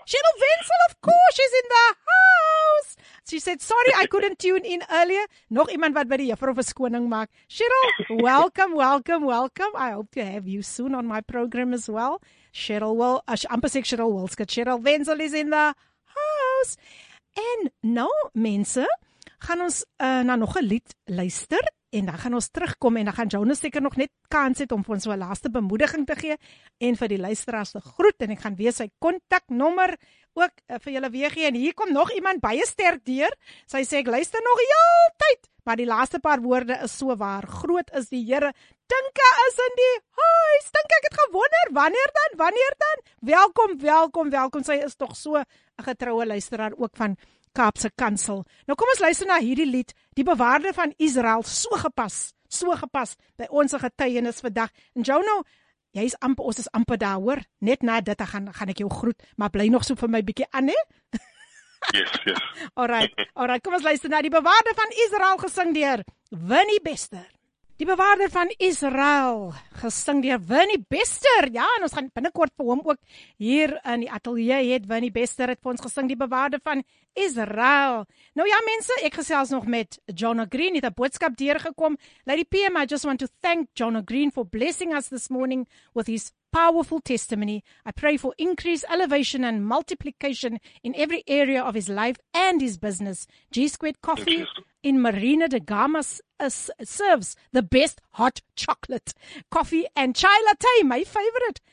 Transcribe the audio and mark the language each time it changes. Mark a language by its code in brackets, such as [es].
[en] Cheryl Wenzel, of course, she's in the house. She said, sorry, I couldn't tune in earlier. [af] Nog iemand wat by die juffrou verskoning maak. [en] Cheryl, welcome. I hope to have you soon on my program as well. Cheryl Will, Ampersek Cheryl Wilske. Cheryl Wenzel is in the house. [af] En nou, mense, gaan ons na nog 'n lied luister. En dan gaan ons terugkom en dan gaan Jonas seker nog net kans het om vir ons so 'n laaste bemoediging te gee en vir die luisteraars te groet en ek gaan weer sy kontaknommer ook vir julle weer gee en hier kom nog iemand baie sterk deur. Sy sê ek luister nog heeltyd, maar die laaste paar woorde is so waar. Groot is die Here. Tinka is in die huis. Tinka, ek het gewonder wanneer dan? Welkom. Sy is tog so 'n getroue luisteraar ook van Kaapse Kansel. Nou kom ons luister na hierdie lied, Die Bewaarder van Israel, so gepas by ons getuienis vandag. En Jono, ons is amper daar, hoor. Net na dit gaan ek jou groet, maar bly nog so vir my bietjie aan, hè? [en] Yes. [af] Alright. Kom ons luister na Die Bewaarder van Israel gesing deur Winnie Bester. Die bewaarder van Israel, gesing deur Winnie Bester. Ja, en ons gaan binnekort vir hom ook hier in die ateljee het Winnie Bester het vir ons gesing die bewaarder van Israel. Nou ja mense, ek gesels nog met Jonah Green, het 'n boodskap deurgekom. [en] Lady PM, I just want to thank Jonah Green for blessing us this morning with his powerful testimony. I pray for increase, elevation and multiplication in every area of his life and his business. G-Squared Coffee in Marina de Gama serves the best hot chocolate, coffee and chai latte, my favorite.